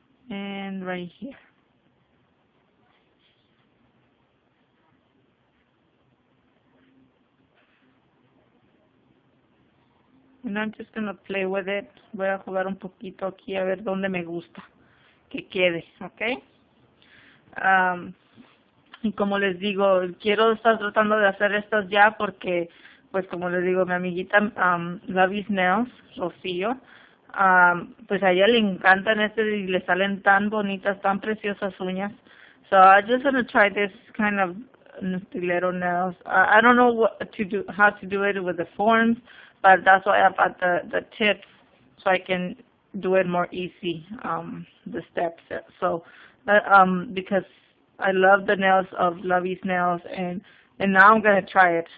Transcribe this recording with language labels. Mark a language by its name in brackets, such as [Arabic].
[English] And right here. And I'm just going to play with it. [Spanish] Voy a jugar un poquito aquí a ver dónde me gusta que quede, ¿ok? Y como les digo, quiero estar tratando de hacer estas ya porque, pues como les digo, mi amiguita Lovey's Nails, Rocío, pues a ella le encantan este y le salen tan bonitas, tan preciosas uñas. [English] So I'm just going to try this kind of stiletto nails. I don't know what to do, how to do it with the forms. But that's why I bought the tips, so I can do it more easy, the steps. So, because I love the nails of Lovey's Nails, and now I'm going to try it.